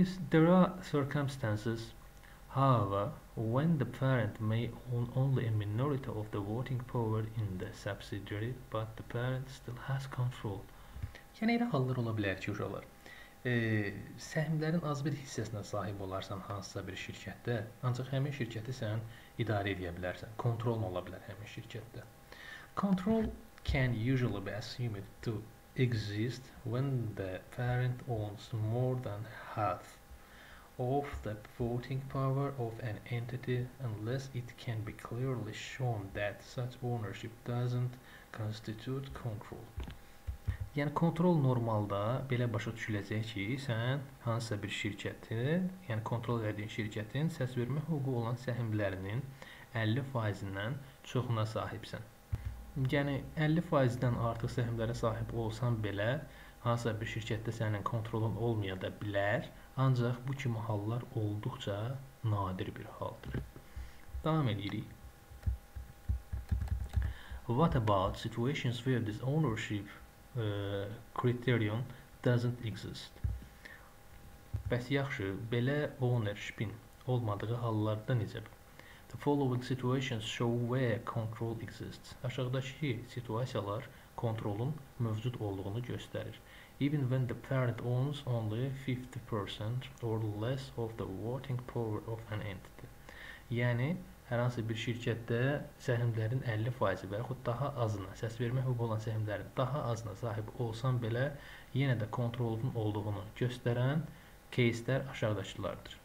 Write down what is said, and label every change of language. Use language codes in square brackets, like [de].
[en] There are circumstances, however, when the parent may own only a minority of the voting power in the subsidiary, but the parent still has control. [az] Yəni, elə hallar ola bilər ki, uşaqlar, səhmlərin az bir hissəsinə sahib olarsan hansısa bir şirkətdə, ancaq həmin şirkəti sən idarə edə bilərsən, kontrol ola bilər həmin şirkətdə. [en] Control can usually be assumed to exist when the parent owns more than half of the voting power of an entity unless it can be clearly shown that such ownership doesn't constitute control. [az] Yəni kontrol normalda belə başa düşüləcək ki, sən hansısa bir şirkətin, yəni kontrol etdiyin şirkətin səs vermə hüququ olan səhmlərinin 50%-dən çoxuna sahibsən. Yəni 50%-dən artıq səhmlərə sahib olsan belə hansısa bir şirkətdə sənin kontrolun olmaya da bilər. Ancaq bu kimi hallar olduqca nadir bir haldır. Davam edirik. [en] What about situations where this ownership criterion doesn't exist? [az] Bəs yaxşı, belə ownership-in olmadığı hallarda necə? The [en] following situations show where control exists. [az] Aşağıdakı situasiyalar kontrolun mövcud olduğunu göstərir. [en] Even when the parent owns only 50% or less of the voting power of an entity. [az] Yəni, hər hansı bir şirkətdə səhmlərin 50% və yaxud daha azına, səs vermək hüququ olan səhmlərin daha azına sahib olsan belə, yenə də kontrolun olduğunu göstərən case-lər aşağıdakılardır.